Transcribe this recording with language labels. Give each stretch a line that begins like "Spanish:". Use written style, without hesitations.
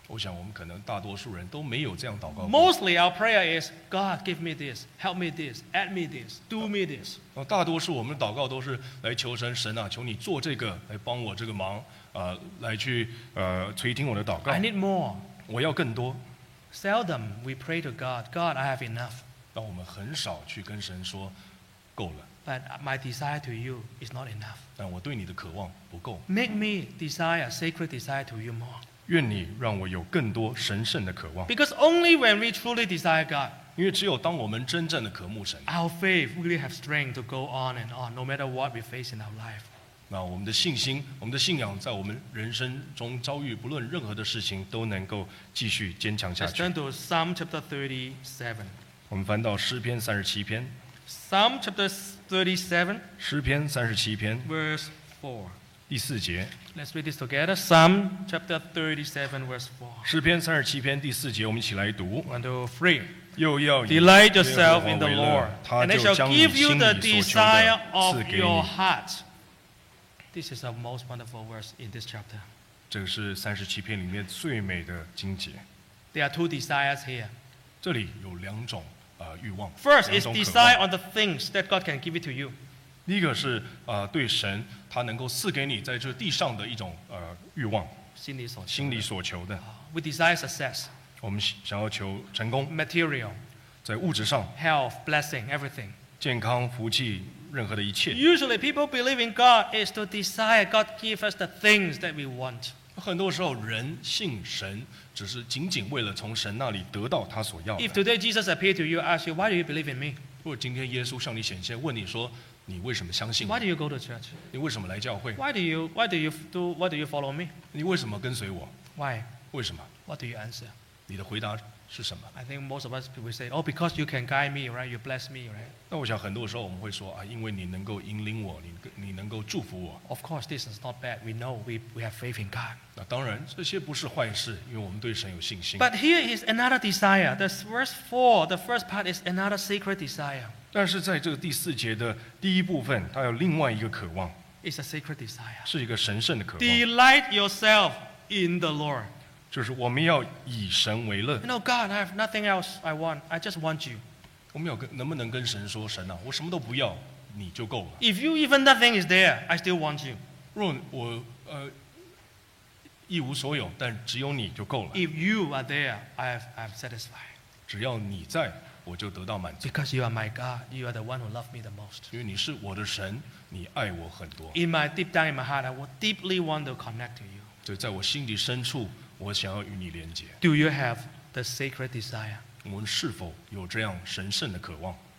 Chinese: 我想我们可能大多数人都没有这样祷告过。
English: Mostly our prayer is, God, give me this, help me this, add me this, do me this.
Chinese: 大多数我们的祷告都是来求神，神啊，求你做这个，来帮我这个忙，来去垂听我的祷告。
English: I need more.
Chinese: 我要更多。
English: Seldom we pray to God, God, I have enough.
Chinese: 但我们很少去跟神说，够了。
English: But my desire to you is not enough.
Chinese: 但我对你的渴望不够。
English: Make me desire sacred desire to you more.
Chinese: 愿你让我有更多神圣的渴望。
English: Because only when we truly desire God,
Chinese: 因为只有当我们真正的渴慕神，
English: our faith really have strength to go on and on, no matter what we face in our life.
Chinese: 那我们的信心，我们的信仰，在我们人生中遭遇不论任何的事情，都能够继续坚强下去。
English: Let's turn to Psalm chapter 37.
Chinese: 我们翻到诗篇三十七篇。
English: Psalm chapter 37,
Chinese: 诗篇三十七篇
English: verse 4,
Chinese: 第四节。
English: Let's read this together. Psalm chapter 37, verse 4.
Chinese: 诗篇三十七篇第四节，我们一起来读。
English: One, two, three.
Chinese: 又要以
English: delight yourself in the Lord,
Chinese: 他就将你心里所求的赐给你。
English: And it shall give you the desire of your heart. This is the most wonderful verse in this chapter.
Chinese: 这是三十七篇里面最美的经节。
English: There are two desires here.
Chinese: 这里有两种。
English: First is decide on the things that God can give it to you.
Chinese: 第一个是对神他能够赐给你在这地上的一种欲望，心里所求的。
English: We desire success.
Chinese: 我们想要求成功。
English: Material.
Chinese: 在物质上。
English: Health, blessing, everything.
Chinese: 健康、福气，任何的一切。
English: Usually, people believe in God is to desire God give us the things that we want.
Chinese: 很多时候，人信神。只是仅仅为了从神那里得到他所要的。
English: If today Jesus appeared to you, ask you, why do you believe in me?
Chinese: 如果今天耶稣向你显现，问你说，你为什么相信我
English: ？Why do you go to church?
Chinese: 你为什么来教会
English: ？Why do you follow me?
Chinese: 你为什么跟随我
English: ？Why?
Chinese: 为什么
English: ？What do you answer?
Chinese: 你的回答是什么
English: ？I think most of us will say, oh, because you can guide me, right? You bless me, right?
Chinese: 那我想很多时候我们会说啊，因为你能够引领我，你能够祝福我。
English: Of course, this is not bad. We know we have faith in God.
Chinese: 那当然，这些不是坏事，因为我们对神有信心。
English: But here is another desire. The verse four, the first part is another secret desire.
Chinese: 但是在这个第四节的第一部分，它有另外一个渴望。
English: It's a secret desire.
Chinese: 是一个神圣的渴望。
English: Delight yourself in the Lord.
Chinese: 就是我们要以神为乐。
English: No, God, I have nothing else I want. I just want you.
Chinese: 我们有跟能不能跟神说，神啊，我什么都不要，你就够了。
English: If you even nothing is there, I still want you.
Chinese: 若我一无所有，但只有你就够了。
English: If you are there, I'm satisfied.
Chinese: 只要你在，我就得到满足。
English: Because you are my God, you are the one who loves me the most.
Chinese: 因为你是我的神，你爱我很多。
English: In my deep down in my heart, I will deeply want to connect to you.
Chinese: 就在我心底深处，我想要与你连接。
English: Do you have the sacred desire?
Chinese: 我们是否有这样神圣的渴望？